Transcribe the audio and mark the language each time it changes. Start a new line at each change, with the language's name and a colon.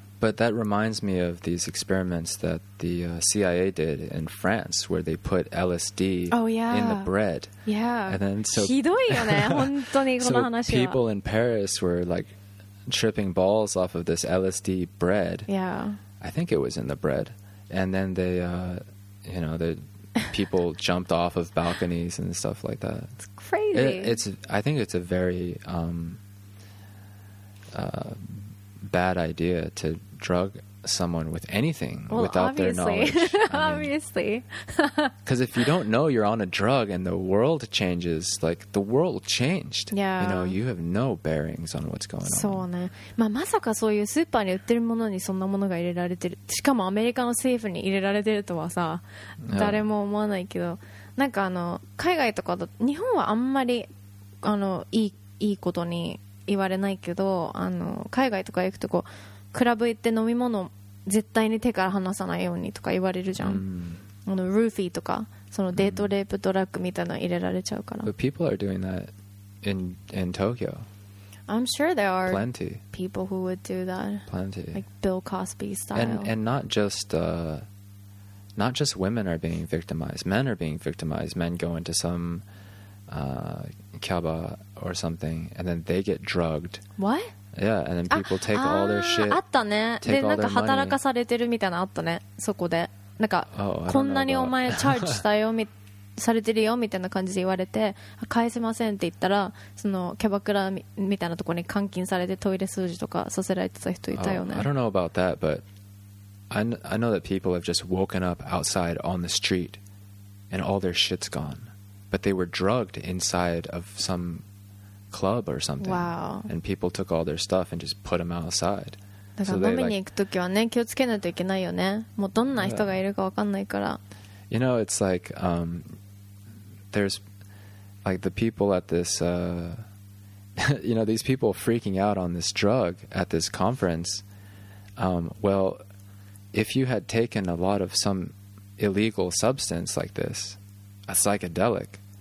English: But that reminds me of these experiments that the CIA did in France where they put LSD in the bread.
Japanese: ひどいよね、本当にこの話は。
English: People in Paris were like tripping balls off of this LSD bread. Yeah. I think it was in the bread. And then they, you know, the people jumped off of balconies and stuff like that. It's crazy. I think it's a very bad idea to drug someone with anything without their knowledge. Obviously. Because if you don't know you're on a drug and the world changes, like, the world changed. Yeah. You know, you have no bearings on what's going on.
Japanese: そうね。まあ、まさかそういうスーパーに売ってるものにそんなものが入れられてる。しかもアメリカの政府に入れられてるとはさ、誰も思わないけど。なんかあの、海外とかだ、日本はあんまり、あの、いいことに言われないけど、あの、海外とか行くとこう、クラブ行って飲み物絶対に手から離さないようにとか言われるじゃん。あのルーフィーとかそのデートレープドラッグみたいなの入れられちゃうから。
English: But people are doing that in Tokyo. I'm sure there are plenty people who would do that. Plenty. Like Bill Cosby style. And not just women are being victimized. Men are being victimized. Men go into some kyaba or something and then they get drugged. What? Yeah, and then people take all their shit.
Japanese: あったね。で、なんか働かされてるみたいなあったね。そこで、なんか、こんなにお前チャージしたよ、されてるよみたいな感じで言われて、返せませんって言ったら、そのキャバクラみたいなところに監禁されてトイレ掃除とかさせられてた人いたよね。
English: I don't know about that, but I know that people have just woken up outside on the street and all their shit's gone. But they were drugged inside of some... club or something. Wow. And people took all their stuff and just put them outside. So they like,
Japanese: 飲みに行くときはね、気をつけないといけないよね。もうどんな人がいるかわかんないから。
English: You know, it's like, there's like the people at this, you know, these people freaking out on this drug at this conference. Well, if you had taken a lot of some illegal substance like this, a psychedelic,